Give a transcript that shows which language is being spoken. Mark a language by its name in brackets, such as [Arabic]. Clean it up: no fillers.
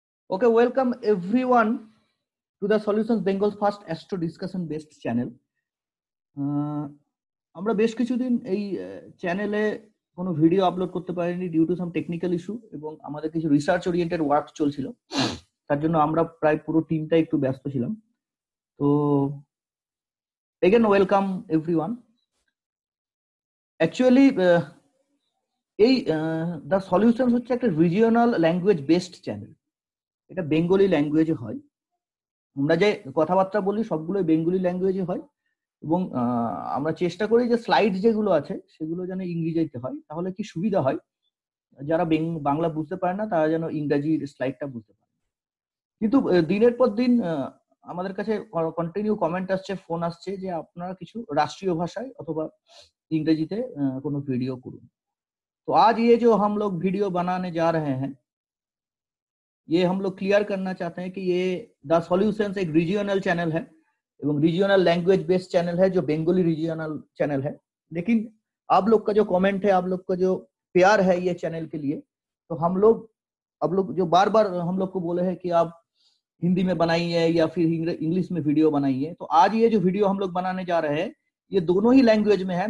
[English] Okay, welcome everyone to the Solutions Bengal's first astro discussion based channel. [Bangla] আমরা বেশ কিছুদিন এই চ্যানেলে কোনো ভিডিও আপলোড করতে পারিনি [English] due to some technical issue [Bangla] এবং আমাদের কিছু রিসার্চ ওরিয়েন্টেড ওয়ার্ক চলছিল, তার জন্য আমরা প্রায় পুরো টিমটা একটু ব্যস্ত ছিলাম। তো এগেন ওয়েলকাম এভরিওয়ান। অ্যাকচুয়ালি এই দ্য সলিউশন হচ্ছে একটা রিজিওনাল ল্যাঙ্গুয়েজ বেসড চ্যানেল, এটা বেঙ্গলি ল্যাঙ্গুয়েজে হয়। আমরা যে কথাবার্তা বলি সবগুলো বেঙ্গলি ল্যাঙ্গুয়েজে হয় এবং আমরা চেষ্টা করি যে স্লাইড যেগুলো আছে সেগুলো যেন ইংরেজিতে হয়, তাহলে কি সুবিধা হয়, যারা বাংলা বুঝতে পারে না তারা যেন ইংরাজির স্লাইডটা বুঝতে পারে। কিন্তু দিনের পর দিন আমাদের কাছে কন্টিনিউ কমেন্ট আসছে, ফোন আসছে যে আপনারা কিছু রাষ্ট্রীয় ভাষায় অথবা ইংরেজিতে কোনো ভিডিও করুন। [Hindi] তো আজ ইয়ে যে হাম লোক ভিডিও বানানে যা রহে হ্যায়, ये हम लोग क्लियर करना चाहते हैं कि ये द सॉल्यूशंस एक रीजियनल चैनल है एवं रीजियनल लैंग्वेज बेस्ड चैनल है जो बेंगोली रीजियनल चैनल है। लेकिन आप लोग का जो कमेंट है, आप लोग का जो प्यार है ये चैनल के लिए, तो हम लोग अब लोग जो बार बार हम लोग को बोले हैं कि आप हिंदी में बनाइए या फिर इंग्लिश में वीडियो बनाइए, तो आज ये जो वीडियो हम लोग बनाने जा रहे हैं ये दोनों ही लैंग्वेज में है।